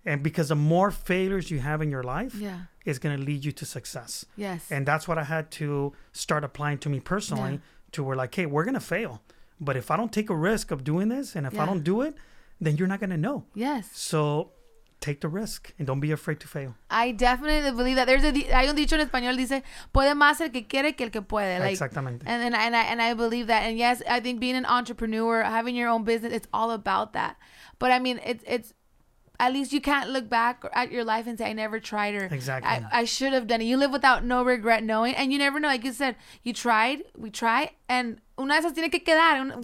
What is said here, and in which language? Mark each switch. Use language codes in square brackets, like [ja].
[en] And because the more failures you have in your life, it's going to lead you to success. Yes. And that's what I had to start applying to me personally to where, like, hey, we're going to fail. But if I don't take a risk of doing this and if I don't do it, then you're not going to know. Yes. So take the risk and don't be afraid to fail. I definitely believe that. [es] Hay un dicho en español, dice, puede más el que quiere que el que puede. [en] Like, exactamente. And I believe that. And yes, I think being an entrepreneur, having your own business, it's all about that. But I mean, it's at least you can't look back at your life and say, I never tried or I should have done it. You live without no regret knowing. And you never know. Like you said, you tried, we try. And una de esas tiene que quedar.